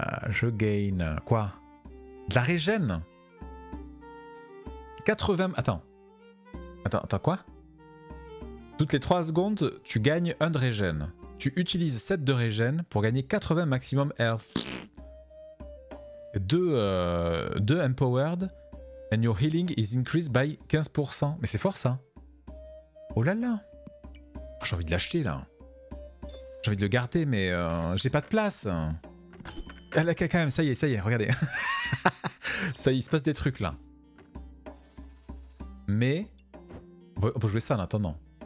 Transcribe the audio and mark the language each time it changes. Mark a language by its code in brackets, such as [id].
[fr] Je gain. Quoi? De la régène. 80. Attends, quoi? Toutes les 3 secondes, tu gagnes 1 de régène. Tu utilises 7 de régène pour gagner 80 maximum health. [en] 2 empowered and your healing is increased by 15%. [fr] Mais c'est fort ça. Oh là là. J'ai envie de l'acheter là. J'ai envie de le garder mais j'ai pas de place. Elle a quand même, ça y est, regardez. Ça y est, il se passe des trucs là. Mais... On peut jouer ça en attendant.